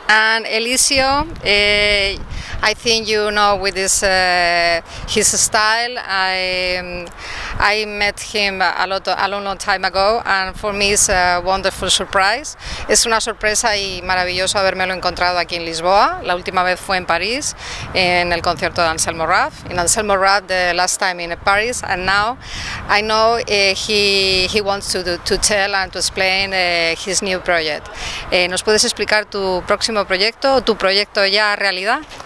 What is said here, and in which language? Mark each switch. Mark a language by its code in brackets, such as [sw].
[en] And Elizio, I think you know with his style. I met him a long time ago, and for me it's a wonderful surprise. [es] Es una sorpresa y maravilloso habermelo encontrado aquí en Lisboa. La última vez fue en París, en el concierto de Anselmo Raff. [en] In Anselmo Raff, the last time in Paris, and now I know he wants to tell and to explain his new project. [es] ¿Nos puedes explicar tu próximo proyecto, tu proyecto ya realidad?